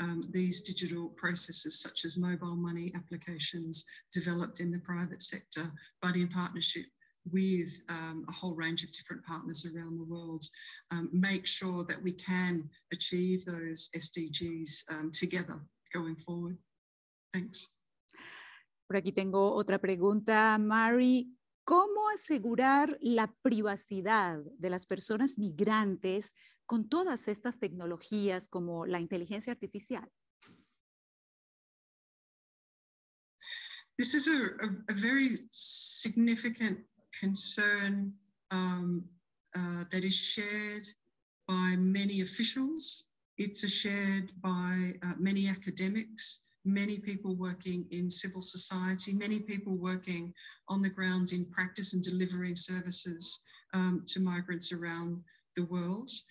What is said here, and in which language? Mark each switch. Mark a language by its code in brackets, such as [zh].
[en] these digital processes, such as mobile money applications developed in the private sector, but in partnership with a whole range of different partners around the world, make sure that we can achieve those SDGs together going forward. Thanks. [es] Por aquí tengo otra pregunta, Mary. ¿Cómo asegurar la privacidad de las personas migrantes con todas estas tecnologías como la inteligencia artificial? [en] This is a very significant concern that is shared by many officials. It's shared by many academics, many people working in civil society, many people working on the ground in practice and delivering services to migrants around the world.